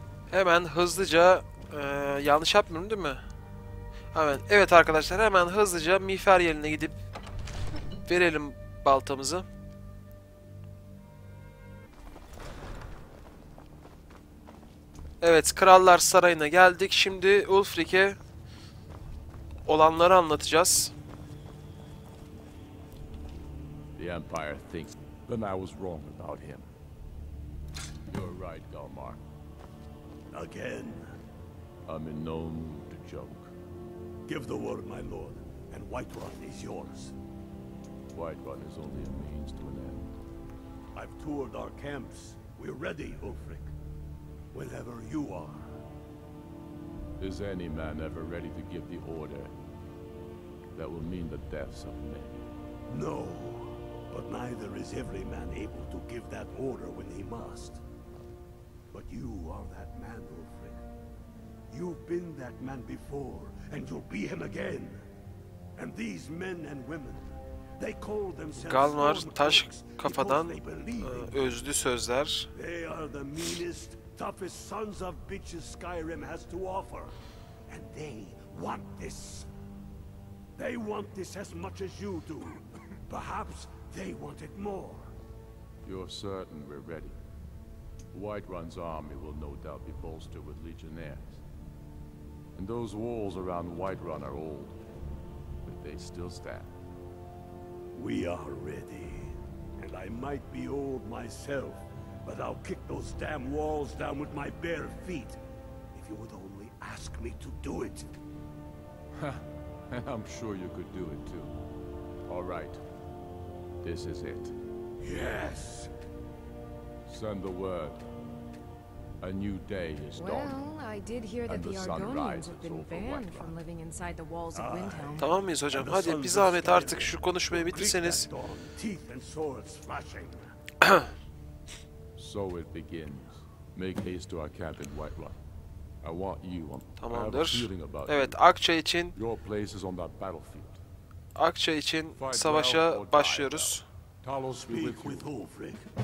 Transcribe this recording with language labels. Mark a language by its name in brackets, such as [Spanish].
[Turkish] Hemen hızlıca yanlış yapmıyorum değil mi? Hemen evet arkadaşlar, hemen hızlıca Mifer yerine gidip verelim baltamızı. Evet, Krallar Sarayı'na geldik. Şimdi Ulfric'e olanları anlatacağız. [English] The Empire thinks that I was wrong about him. You're right, Galmar. Again. I'm in no mood to joke. Give the word, my lord, and Whiterun is yours. Whiterun is only a means to an end. I've toured our camps. We're ready, Ulfric. Whenever you are. Is any man ever ready to give the order that will mean the deaths of men? No, but neither is every man able to give that order when he must. But you are that man, Ulfric. You've been that man before, and you'll be him again. And these men and women, they call themselves [Turkish] Galmar taş kafadan özlü sözler. [English] They are the meanest, toughest sons of bitches Skyrim has to offer, and they want this. They want this as much as you do. Perhaps they want it more. You're certain we're ready? Whiterun's army will no doubt be bolstered with legionnaires, and those walls around Whiterun are old, but they still stand. We are ready, and I might be old myself, but I'll kick those damn walls down with my bare feet if you would only ask me to do it. And I'm sure you could do it too. All right. This is it. Yes. Send the word. A new day is dawning. Well, I did hear that the Argonians have been banned from living inside the walls of Windhelm. [Turkish] Tamam mıyız hocam? Hadi bir zahmet artık şu konuşmayı bitirseniz. [English] Teeth and swords flashing. So it begins. Make haste to our camp in Whiterun. I want you on. [Turkish] Tamamdır. [English] I have a feeling about [Turkish] evet, Akça için. [English] Your place is on that battlefield. [Turkish] Akça için savaşa başlıyoruz. [English] Talos speak with Ulfric.